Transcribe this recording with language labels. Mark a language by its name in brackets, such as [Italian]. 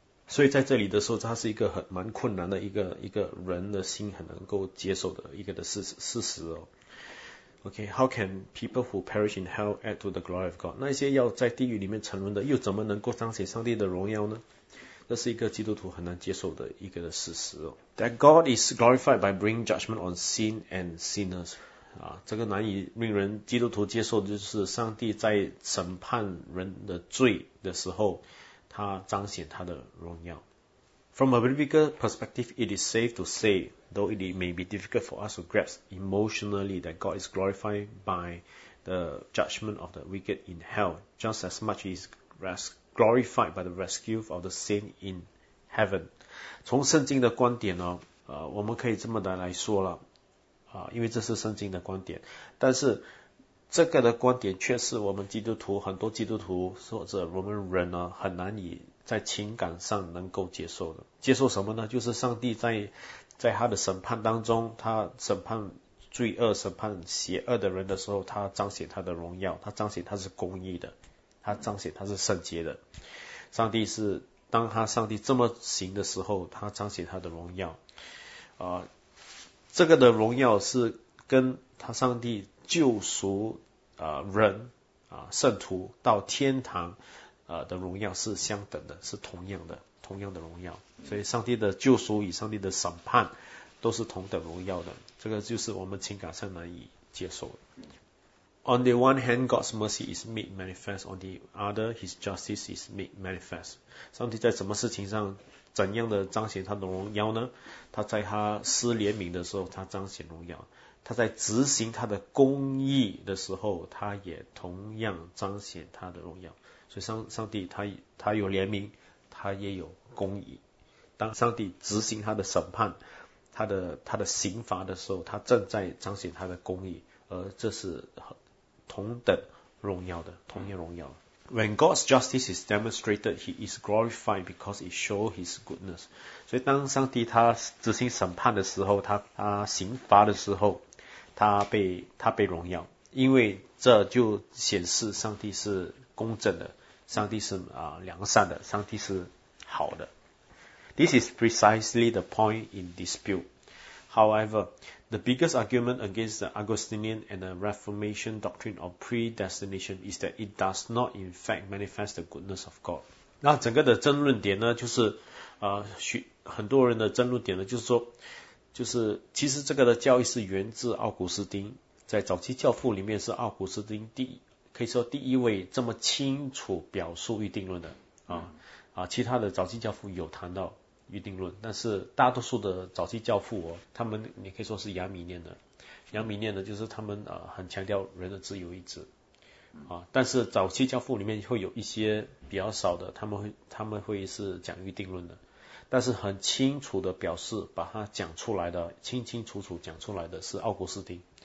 [Chinese] 所以在这里的时候，他是一个很蛮困难的一个人的心很能够接受的一个的事实哦。 OK， [English] how can people who perish in hell add to the glory of God？ [Chinese] 那些要在地狱里面沉沦的，又怎么能够彰显上帝的荣耀呢？这是一个基督徒很难接受的一个的事实哦。 [English] That God is glorified by bringing judgment on sin and sinners。 [Chinese] 啊，这个难以令人基督徒接受的就是上帝在审判人的罪的时候，他彰显他的荣耀。 [English] From a biblical perspective, it is safe to say, though it may be difficult for us to grasp emotionally, that God is glorified by the judgment of the wicked in hell, just as much as glorified by the rescue of the saint in heaven. [Chinese] 从圣经的观点呢，我们可以这么的来说了，因为这是圣经的观点，但是这个的观点却是我们基督徒很多基督徒或者我们人呢很难以在情感上能够接受的。接受什么呢？就是上帝在他的审判当中，他审判罪恶、审判邪恶的人的时候，他彰显他的荣耀，他彰显他是公义的，他彰显他是圣洁的。上帝是当他上帝这么行的时候，他彰显他的荣耀。这个的荣耀是跟他上帝救赎人圣徒到天堂的荣耀是相等的，是同样的荣耀。所以上帝的救赎与上帝的审判都是同等荣耀的，这个就是我们情感上难以接受的。 [English] On the one hand, God's mercy is made manifest. On the other, His justice is made manifest. [Chinese] 上帝在什么事情上怎样的彰显他的荣耀呢？他在他施怜悯的时候，他彰显荣耀。他在执行他的公义的时候，他也同样彰显他的荣耀。所以上帝他有怜悯，他也有公义。当上帝执行他的审判，他的刑罚的时候，他正在彰显他的公义，而这是同等荣耀的，同样荣耀。 [English] When God's justice is demonstrated, He is glorified because it shows His goodness. [Chinese] 所以当上帝他执行审判的时候，他刑罚的时候，他被荣耀，因为这就显示上帝是公正的，上帝是良善的，上帝是好的。 [English] This is precisely the point in dispute. However, the biggest argument against the Augustinian and the Reformation doctrine of predestination is that it does not in fact manifest the goodness of God. [Chinese] 那整个的争论点呢，就是很多人的争论点呢，就是说，就是其实这个的教义是源自奥古斯丁，在早期教父里面是奥古斯丁第可以说第一位这么清楚表述预定论的啊、其他的早期教父有谈到预定论，但是大多数的早期教父、他们你可以说是阳明念的，阳明念的就是他们、很强调人的自由意志啊，但是早期教父里面会有一些比较少的，他们会是讲预定论的，但是很清楚的表示把它讲出来的，清清楚楚讲出来的是奥古斯丁。